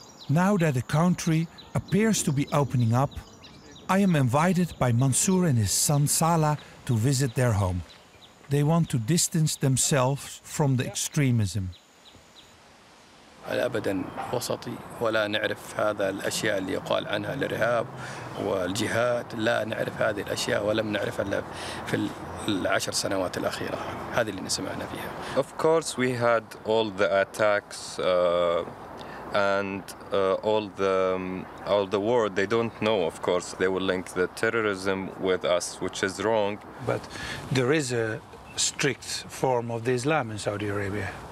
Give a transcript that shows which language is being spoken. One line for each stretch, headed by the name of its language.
English: Now that the country appears to be opening up, I am invited by Mansour and his son Salah to visit their home. They want to distance themselves from the extremism.
Arabic: على ابدا وسطي ولا نعرف هذا الاشياء اللي يقال عنها الارهاب والجهاد لا نعرف هذه الاشياء ولم نعرفها الا في العشر سنوات الاخيره هذه اللي سمعنا فيها.
English: Of course we had all the attacks and all the world, they don't know, of course they will link the terrorism with us, which is wrong, but there is a strict form of the Islam in Saudi Arabia.